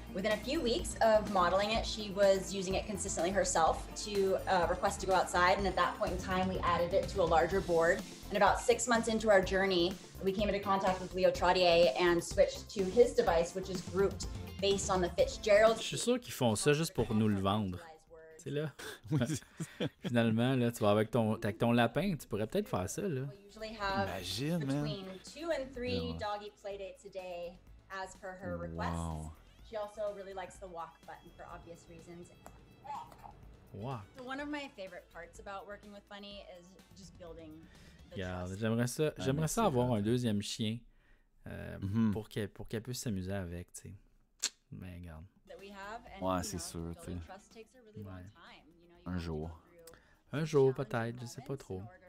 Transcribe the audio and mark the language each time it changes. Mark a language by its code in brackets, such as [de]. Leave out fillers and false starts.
[en] Within a few weeks of modeling it, she was using it consistently herself to request to go outside. And at that point in time, we added it to a larger board. And about 6 months into our journey, we came into contact with Leo Trottier and switched to his device, which is grouped based on the Fitzgerald. [fr] Je suis sûr qu'ils font ça juste pour nous le vendre. Tu sais, là. Oui. Finalement, là, tu vas avec ton lapin, tu pourrais peut-être faire ça, là. Imagine, man. [en] Between 2 and 3 doggy playdates a day, as per her request. Wow. She also really likes the walk button for obvious reasons. Walk. One of my favorite parts about working with Bunny is just building. [fr] Regarde, j'aimerais ça avoir un deuxième chien pour qu'elle puisse s'amuser avec, tu sais. Mais regarde. Ouais, c'est sûr, tu sais. Ouais. Un jour. Un jour, peut-être, je sais pas trop.